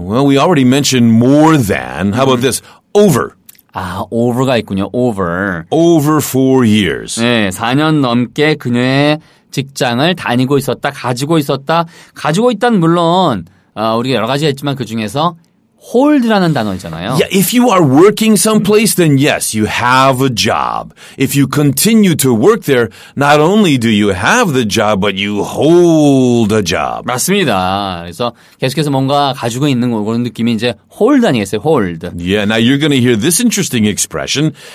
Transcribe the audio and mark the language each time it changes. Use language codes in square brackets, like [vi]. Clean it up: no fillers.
[en] Well, we already mentioned more than. How about this? Over. [ko] 아, over가 있군요. Over. [en] Over 4 years. [ko] 네, 4년 넘게 그녀의 직장을 다니고 있었다, 가지고 있었다. 가지고 있다는 물론 우리가 여러 가지가 있지만 그중에서 hold라는 단어 있잖아요. [en] Yeah, if you are working someplace, then yes, you have a job. If you continue to work there, not only do you have the job, but you hold a job. [ko] 맞습니다. 그래서 계속해서 뭔가 가지고 있는 그런 느낌이 이제 hold 아니겠어요? [en] Hold. Yeah, now you're going to hear this interesting expression.